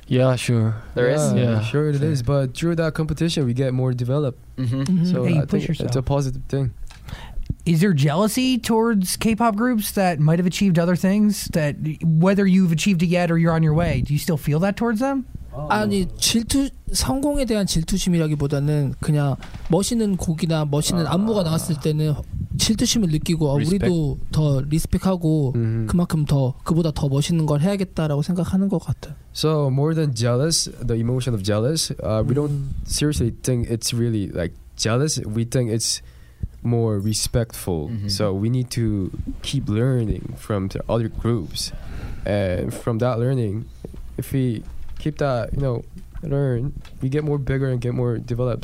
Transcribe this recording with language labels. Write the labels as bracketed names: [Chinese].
[English] Yeah, sure. There is? Yeah, sure it is. But through that competition, we get more developed. Mm-hmm. Mm-hmm. So yeah, I think it's a positive thing. Is there jealousy towards K-pop groups that might have achieved other things? That whether you've achieved it yet or you're on your way, do you still feel that towards them? Oh. [Korean] 아니 질투 성공에 대한 질투심이라기보다는 그냥 멋있는 곡이나 멋있는 안무가 나왔을 때는 질투심을 느끼고 우리도 더 리스펙하고 그만큼 더 그보다 더 멋있는 걸 해야겠다라고 생각하는 것 같아. [English] So more than jealous, the emotion of jealous, we don't seriously think it's really like jealous. We think it's more respectful. Mm-hmm. So we need to keep learning from the other groups, and from that learning, if we keep that, you know, learn, we get more bigger and get more developed.